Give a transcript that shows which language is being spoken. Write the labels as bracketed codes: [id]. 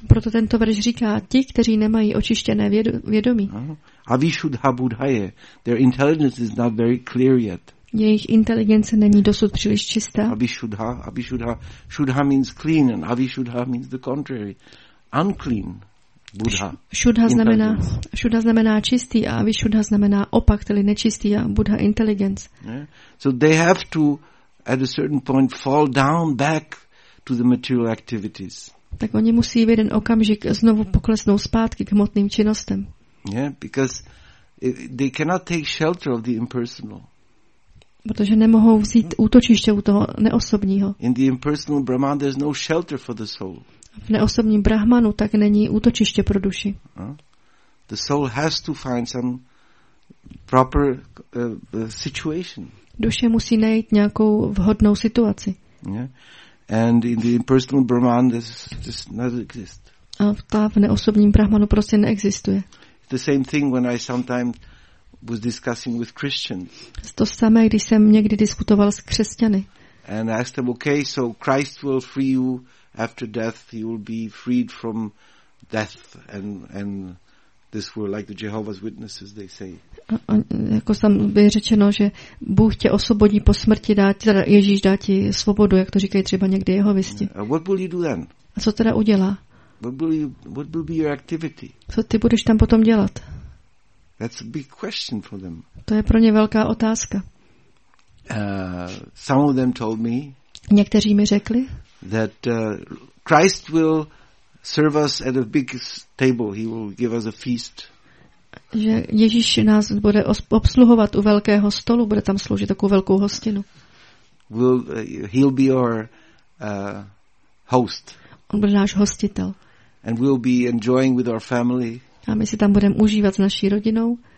[cs] Proto tento verš říká ti, kteří nemají očištěné vědomí. [sa] Avishuddha buddhaye, [en] their intelligence is not very clear yet. [cs] Jejich inteligence není dosud příliš čistá. [sa] Abhishuddha. [en] Shuddha means clean and avishuddha means the contrary. Unclean buddha. [cs] Shuddha znamená čistý a avishuddha znamená opak, tedy nečistý a buddha intelligence. [en] Yeah. So they have to at a certain point fall down back to the material activities. [cs] Tak oni musí v jeden okamžik znovu poklesnout zpátky k hmotným činnostem. [en] Yeah, because they cannot take shelter of the impersonal. [cs] Protože nemohou vzít útočiště u toho neosobního. [en] In the impersonal Brahman there's no shelter for the soul. [cs] V neosobním Brahmanu tak není útočiště pro duši. [en] The soul has to find some proper situation. [cs] Duše musí najít nějakou vhodnou situaci. [en] Yeah. And in the impersonal Brahman this does not exist. [cs] A ta v neosobním Brahmanu prostě neexistuje. [en] The same thing when I sometimes was discussing with Christians. [cs] To samé, když jsem někdy diskutoval s křesťany. [en] And I asked them, okay, so Christ will free you after death. He will be freed from death and this world, like the Jehovah's Witnesses, they say. [cs] Jako tam bylo řečeno, že Bůh tě osvobodí po smrti, Ježíš dá ti svobodu, jak to říkají třeba někdy jehovisti. [en] What will you do then? [cs] A co teda udělá? [en] What will be your activity? [cs] Co ty budeš tam potom dělat? [en] That's a big question for them. [cs] To je pro ně velká otázka. [en] Some of them told me. [cs] Někteří mi řekli. [en] That Christ will serve us at a big table. He will give us a feast. [cs] Že Ježíš nás bude obsluhovat u velkého stolu, bude tam sloužit takovou velkou hostinu. [en] He'll be our host. [cs] On bude náš hostitel. [en] And we'll be enjoying with our family. [cs] A my si tam budeme užívat s naší rodinou.